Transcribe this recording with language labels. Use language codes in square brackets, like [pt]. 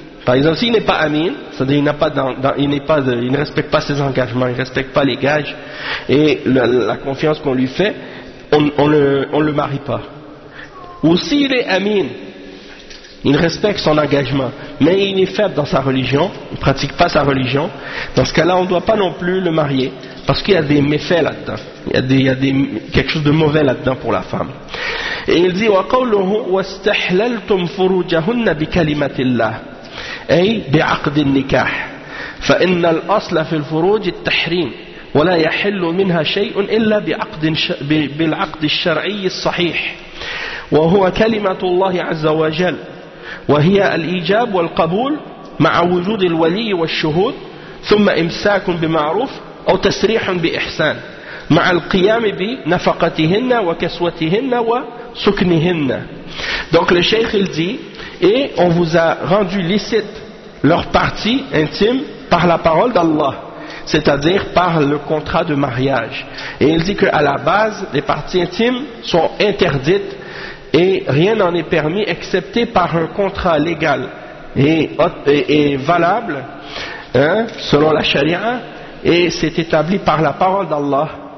[fr] Par exemple, s'il n'est pas amin, c'est-à-dire il n'a pas il ne respecte pas ses engagements, il ne respecte pas les gages et la confiance qu'on lui fait, on le marie pas. Ou s'il est amin, il respecte son engagement, mais il est faible dans sa religion, il ne pratique pas sa religion, dans ce cas-là, on ne doit pas non plus le marier, parce qu'il y a des méfaits là-dedans. Il y a quelque chose de mauvais là-dedans pour la femme. Et il dit, [ar] وَقَوْلُهُ وَاسْتَحْلَلْتُمْ فُرُوجَهُنَّ بِكَلِمَةِ اللَّهِ أي بِعَقْدِ النِّكَاحِ فَإِنَّ الْأَصْلَ فِي الْفُرُوجِ التَّحْرِيمِ ولا يحل منها شيء الا بالعقد الشرعي الصحيح وهو كلمه الله عز وجل وهي الايجاب والقبول مع وجود الولي والشهود ثم امساك بمعروف او تسريح باحسان مع القيام بنفقتهن وكسوتهن وسكنهن. [fr] Donc le cheikh il dit, et on vous a rendu licite leur partie intime par la parole d'Allah, c'est-à-dire par le contrat de mariage. Et il dit qu'à la base, les parties intimes sont interdites et rien n'en est permis excepté par un contrat légal et valable, hein, selon la charia, et c'est établi par la parole d'Allah.